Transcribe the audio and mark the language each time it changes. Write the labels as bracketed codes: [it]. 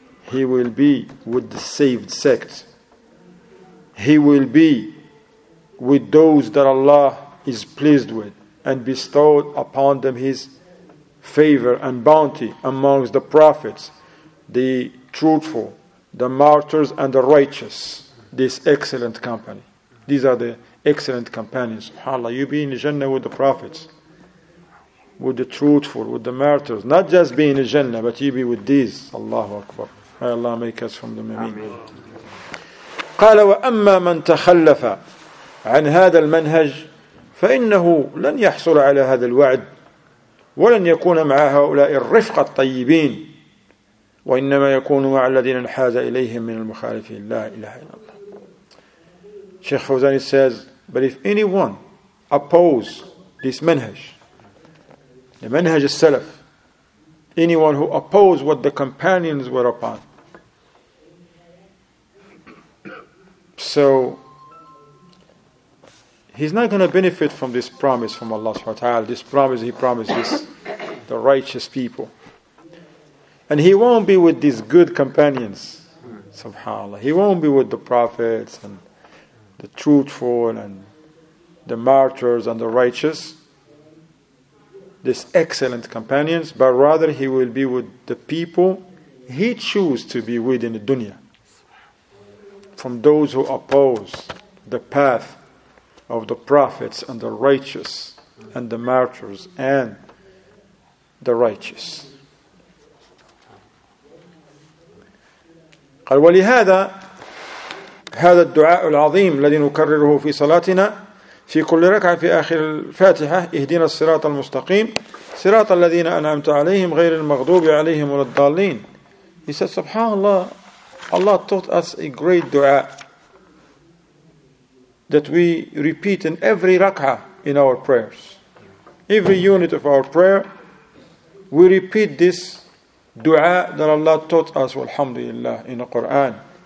[en] He will be with the saved sect. He will be with those that Allah is pleased with and bestowed upon them His favor and bounty amongst the prophets, the truthful, the martyrs, and the righteous. This excellent company. These are the excellent companions. SubhanAllah, you be in Jannah with the prophets, with the truthful, with the martyrs. Not just be in Jannah, but you be with these. Allahu Akbar. May Allah make us from the Mameen. [ar] قال وأما من تخلف عن هذا المنهج فإنه لن يحصل على هذا الوعد ولن يكون مع هؤلاء الرفقة الطيبين وإنما يكون مع الذين انحاز إليهم من المخالفين. لا إله إلا الله. [en] Sheikh Fawzani says, but if anyone oppose this manhaj, the manhaj al-Salaf, anyone who oppose what the companions were upon, so he's not going to benefit from this promise from Allah subhanahu wa ta'ala, this promise He promised this, the righteous people. And he won't be with these good companions, subhanAllah. He won't be with the prophets and the truthful and the martyrs and the righteous, these excellent companions, but rather he will be with the people he chooses to be with in the dunya. From those who oppose the path of the prophets and the righteous and the martyrs and the righteous. [ar] قال ولهذا هذا الدعاء العظيم الذي نكرره في صلاتنا في كل ركعة في آخر الفاتحة اهدنا الصراط المستقيم صراط الذين أنعمت عليهم غير المغضوب عليهم ولا الضالين. [en] He said, subhanAllah, Allah taught us a great dua that we repeat in every rak'ah in our prayers. Every unit of our prayer, we repeat this dua that Allah taught us, walhamdulillah, in the Quran.